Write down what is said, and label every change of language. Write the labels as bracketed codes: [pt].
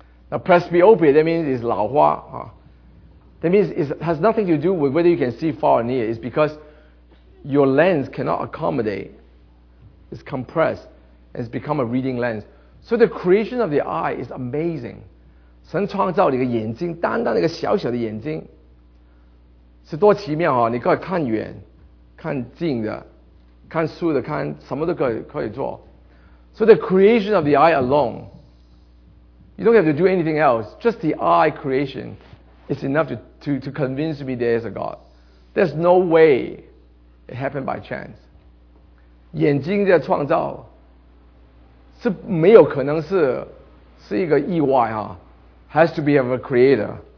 [en] A presbyopia, that means it's 老花、That means it has nothing to do with whether you can see far or near. It's because your lens cannot accommodate. It's compressed. It's become a reading lens. So the creation of the eye is amazing. [zh] 神创造你的眼睛，单单那个小小的眼睛，是多奇妙、你可以看远、看近的、看书的、看什么都可以做。 [en] So the creation of the eye alone. You don't have to do anything else. Just the eye creation is enough to convince me there is a God. There's no way it happened by chance. [zh] 眼睛的创造是没有可能是一个意外哈、 [en] Has to be of a creator.